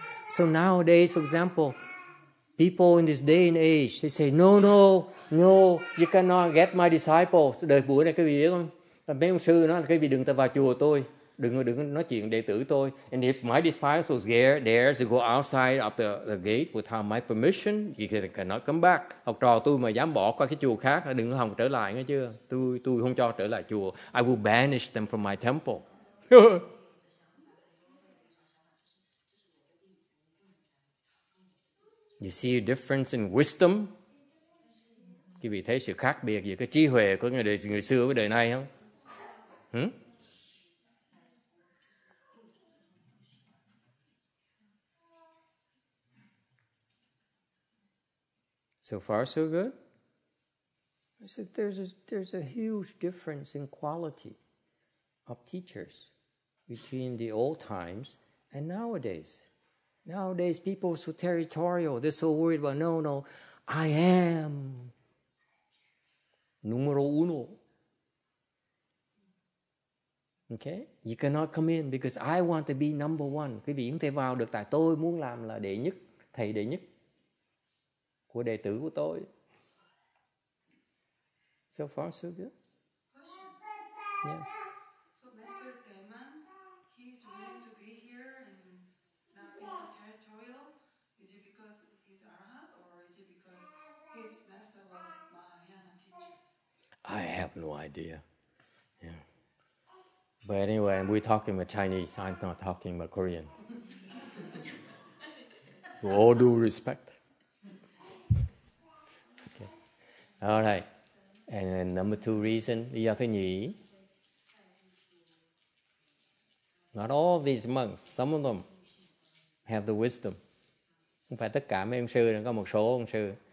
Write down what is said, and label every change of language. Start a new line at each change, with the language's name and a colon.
English: So nowadays, for example, people in this day and age, they say, no, you cannot get my disciples.
Vietnamese: Đời buổi này, quý vị biết không? Mấy ông sư nói là quý vị đừng ta vào chùa tôi, đừng nói chuyện đệ tử tôi.
English: And if my disciples were there, they go outside of the gate without my permission, you cannot come back.
Vietnamese: Học trò tôi mà dám bỏ qua cái chùa khác, đừng có hòng trở lại nghe chưa. Tôi không cho trở lại chùa.
English: I will banish them from my temple. You see a difference in wisdom?
Vietnamese: Quý vị thấy sự khác biệt giữa cái trí huệ của người xưa với đời nay không?
English: So far, so good. I said there's a huge difference in quality of teachers between the old times and nowadays. Nowadays, people are so territorial. They're so worried about, no, I am numero uno. Okay? You cannot come in because I want to be number one.
Vietnamese: Quý vị không thể vào được tại tôi muốn làm là đệ nhất, thầy đệ nhất. Của đệ tử của tôi.
English: So far, so good. Question. Yes. So Master Gaiman, he is willing to be here and not be territorial. Is it because he's Arahant or is it because his master was Mahayana teacher? I have no idea. Yeah. But anyway, we're talking about Chinese. I'm not talking about Korean. To all due respect. All right, and then number two reason,
Vietnamese: lý do thứ nhì.
English: Not all of these monks, some of them have the wisdom.
Vietnamese: Không phải tất cả mấy ông sư, có một số ông sư.